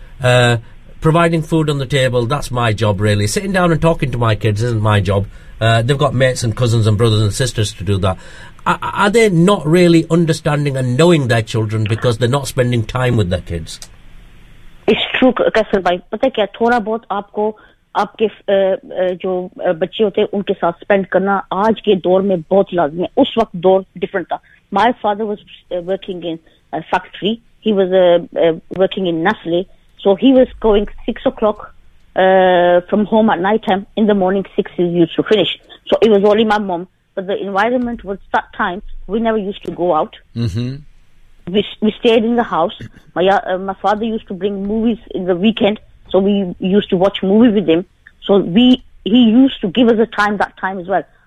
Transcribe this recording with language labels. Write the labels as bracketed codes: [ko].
[en] Providing food on the table, that's my job really. Sitting down and talking to my kids isn't my job. They've got mates and cousins and brothers and sisters to do that. Are they not really understanding and knowing their children because they're not spending time with their kids? It's true Qaiser भाई. [hi] पता है क्या, थोड़ा बहुत आपको आपके जो बच्चे होते हैं उनके साथ स्पेंड करना आज के दौर में बहुत लाजमी है. उस वक्त दौर डिफरेंट था. [en] My father was working in factory, he was working in Nestle, so he was going 6 o'clock from home at night time, in the morning 6 is used to finish. So it was only my mom, but the environment was that time we never used to go out. We stayed in the house. My father used to bring movies in the weekend, so we used to watch movie with him. So he used to give us a time that time as well.